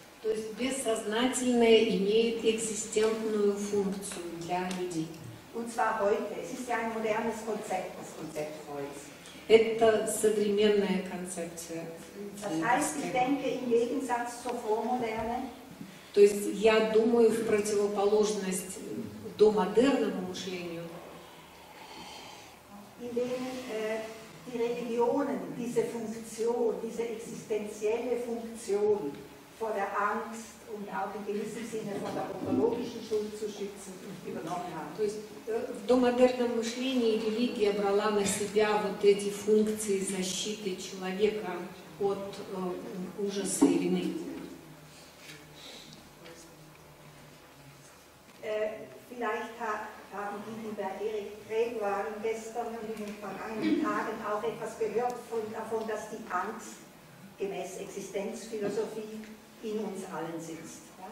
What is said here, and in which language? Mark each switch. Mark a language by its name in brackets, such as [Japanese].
[Russian] То есть бессознательное имеет экзистентную функцию для людей. [German] Und zwar heute. Es ist ja ein modernes Konzept, das Konzept Freuds. [Russian] Это современная концепция. [German] Das heißt, ich denke im Gegensatz zur Vormoderne. [Russian] То есть я думаю в противоположность домодерному мышлению. [German] Die Religionen diese Funktion, diese existenzielle Funktion vor der Angst und auch in gewissem Sinne vor der ontologischen Schuld zu schützen übernommen haben. [Russian] То есть в домодерном мышлении религия брала на себя вот эти функции защиты человека от ужаса и вины. [German] Vielleicht haben die, die bei Erik Krebs waren gestern und in den vergangenen Tagen auch etwas gehört von, davon, dass die Angst gemäß Existenzphilosophie in uns allen sitzt.